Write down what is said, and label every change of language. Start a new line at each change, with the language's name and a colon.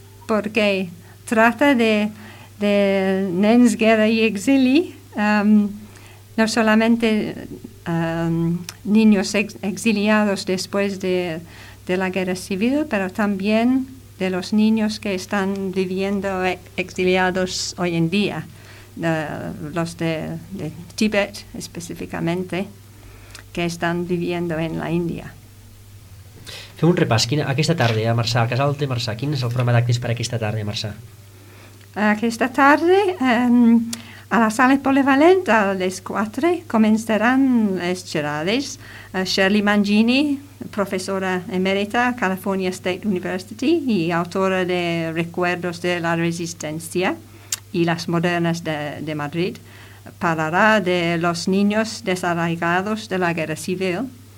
Catalan: Perquè tracta de nens, guerra i exili.
Spanish: No solamente niños exiliados después de la guerra civil, pero también de los niños que están viviendo exiliados hoy en día, los de Tíbet específicamente, que están viviendo en la India.
Catalan: Fem un repàs. Aquesta tarda a Marçà, al casal de Marçà, quin és el programa d'actes per aquesta tarda a Marçà? Aquesta tarda... A la sala polivalent, a les 4, començaran les xerrades. Shirley Mangini, professora emèrita a California State University i autora de Recuerdos de la Resistencia i Las Modernas de Madrid, parlarà de
Spanish: los niños desarraigados de la Guerra Civil.